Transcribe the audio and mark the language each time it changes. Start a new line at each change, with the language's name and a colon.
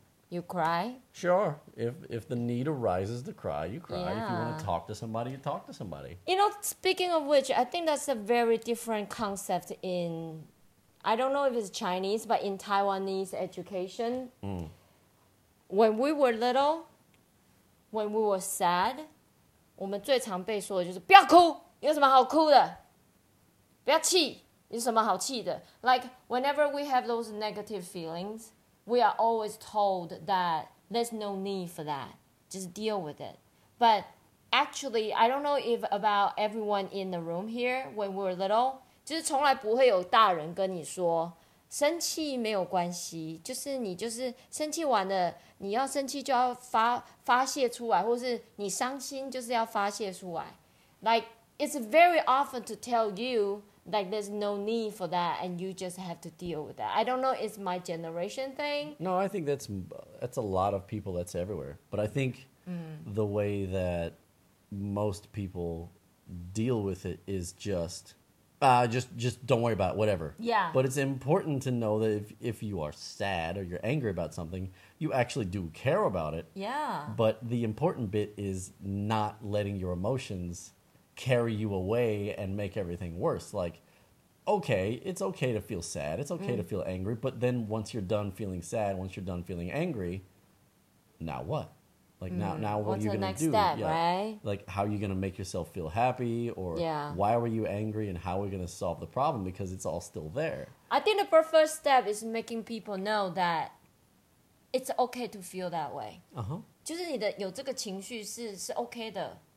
English: You cry? Sure. If the need arises to cry, you cry. Yeah. If you want to talk to somebody, you talk to somebody. You know, speaking of which, I think that's a very different concept in, I don't know if it's Chinese, but in Taiwanese education. Mm. When we were little, when we were sad,
Chinese: 我们最常被说的就是不要哭，有什么好哭的？不要气，有什么好气的？
English: Like, whenever we have those negative feelings,We are always told that there's no need for that. Just deal with it. But actually, I don't know if about everyone in the room here, when we were little,
Chinese: 就是从来不会有大人跟你说生气没有关系，就是你就是生气完了，你要生气就要发泄出来，或是你伤心就是要发泄出来。
English: Like, it's very often to tell youLike, there's no need for that, and you just have to deal with that. I don't know, it's my generation thing. No, I think that's a lot of people, that's everywhere. But I think the way that most people deal with it is just don't worry about it, whatever. Yeah. But it's important to know that if you are sad or you're angry about something, you actually do care about it. Yeah. But the important bit is not letting your emotions... carry you away and make everything worse. Like, okay, it's okay to feel sad. It's okay to feel angry. But then once you're done feeling sad, once you're done feeling angry, now what? Like, now what are you going to do? What's the next step, right? Like, how are you going to make yourself feel happy? Or why were you angry and how are we going to solve the problem? Because it's all still there. I think the first step is making people know that it's okay to feel that way. Uh-huh.
Chinese: 就是你的有这个情绪是 okay 的。